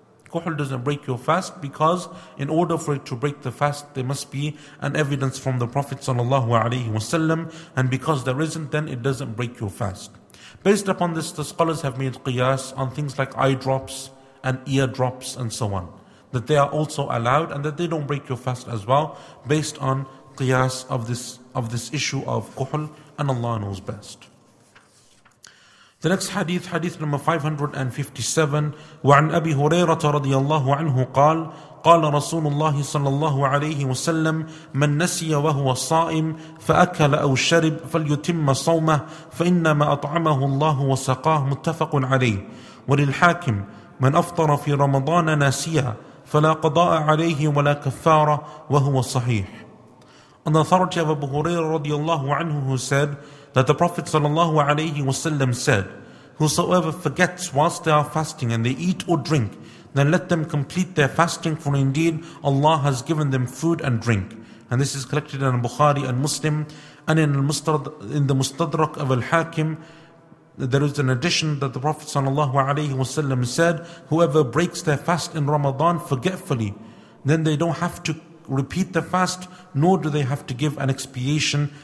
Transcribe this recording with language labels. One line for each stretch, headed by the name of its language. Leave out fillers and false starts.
English: Kuhul doesn't break your fast, because in order for it to break the fast, there must be an evidence from the Prophet sallallahu alaihi wasallam, and because there isn't, then it doesn't break your fast. Based upon this, the scholars have made qiyas on things like eye drops and ear drops and so on, that they are also allowed and that they don't break your fast as well, based on qiyas of this issue of kuhul, and Allah knows best. The next hadith, hadith number 557,
Arabic: وعن أبي هريرة رضي الله عنه قال قال رسول الله صلى الله عليه وسلم من نسي وهو صائم فأكل أو شرب فليتم صومه فإنما أطعمه الله وسقاه متفق عليه وللحاكم من أفطر في رمضان ناسيا فلا قضاء عليه ولا كفارة وهو صحيح.
English: On the authority of Abu Hurairah رضي الله عنه, who said that the Prophet صلى الله عليه وسلم said, whosoever forgets whilst they are fasting and they eat or drink, then let them complete their fasting, for indeed Allah has given them food and drink. And this is collected in Bukhari and Muslim. And in the Mustadrak of Al-Hakim, there is an addition that the Prophet ﷺ said, whoever breaks their fast in Ramadan forgetfully, then they don't have to repeat the fast, nor do they have to give an expiation.